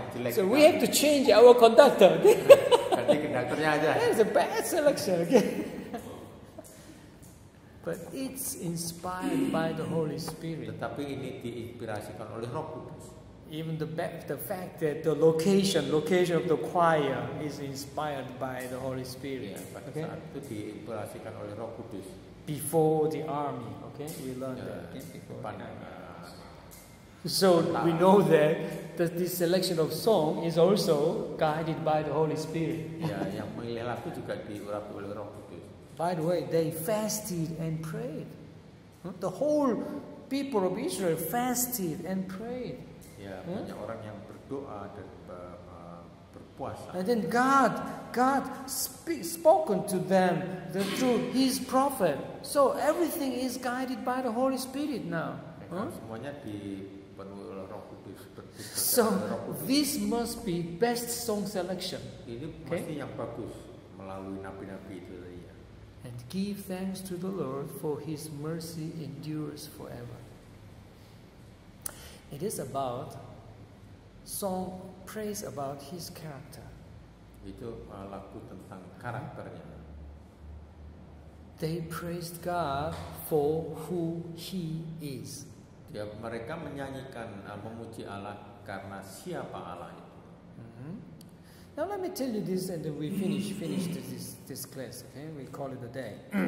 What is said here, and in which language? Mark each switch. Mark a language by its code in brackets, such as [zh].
[en] So we have to change our conductor. That's a bad selection. Okay? But it's inspired by the Holy Spirit. [id] Tetapi ini diinspirasikan oleh Roh Kudus. [en] Even the fact that the location of the choir is inspired by the Holy Spirit. [id] Itu diinspirasikan oleh Roh Kudus. [en] Before the army, okay? We learned that. Okay? Before, So we know that this selection of song is also guided by the Holy Spirit. [id] Yeah, yang memilih lagu juga diurapi oleh Roh Kudus. [en] By the way, they fasted and prayed. The whole people of Israel fasted and prayed. [id] Yeah, banyak orang yang berdoa dan berpuasa. [en] And then God spoken to them through His prophet. So everything is guided by the Holy Spirit now. [id] Semuanya dipenuhi oleh Roh Kudus. [en] So this must be best song selection. [id] Ini pasti yang bagus melalui nabi-nabi itu. [en] And give thanks to the Lord, for His mercy endures forever. It is about song praise about His character. [id] Itu lagu tentang karakternya. [en] They praised God for who He is. [id] Ya, mereka menyanyikan memuji Allah karena siapa Allah itu. [en] Now let me tell you this, and then we finish this class. Okay, we call it a day.